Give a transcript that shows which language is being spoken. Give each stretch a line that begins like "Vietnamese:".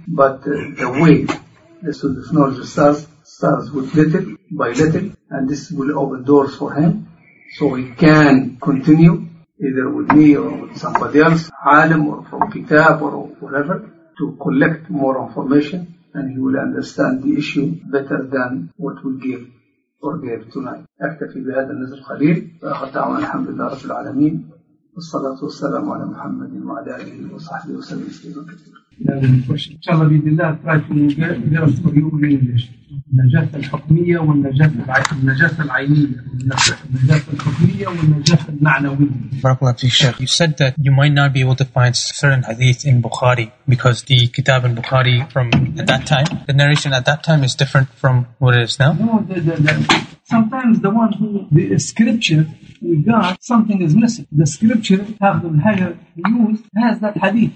English: But the way the student knowledge starts with little by little, and this will open doors for him, so he can continue, either with me or with somebody else, alim or from kitab or whatever, to collect more information, and he will understand the issue better than what we give or gave tonight.
Arabic: أكتفي بهذا النذر الخليل وآخر دعوانا الحمد لله رب العالمين والصلاة والسلام على محمد وعلى آله وصحبه وسلم تسليما كثيرا.
English: InshaAllah, bidillah, try to hear us for you in English.
Arabic: النجاسة الحكمية والنجاسة العينية. النجاسة الحكمية والنجاسة المعنوية. Barakallahu fi Shaykh.
English: You said that you might not be able to find certain hadith in Bukhari, because the kitab in Bukhari from at that time, the narration at that time is different from what it is now. No, sometimes the scripture we got, something is missing. The scripture Abdul-Hajar used has that hadith.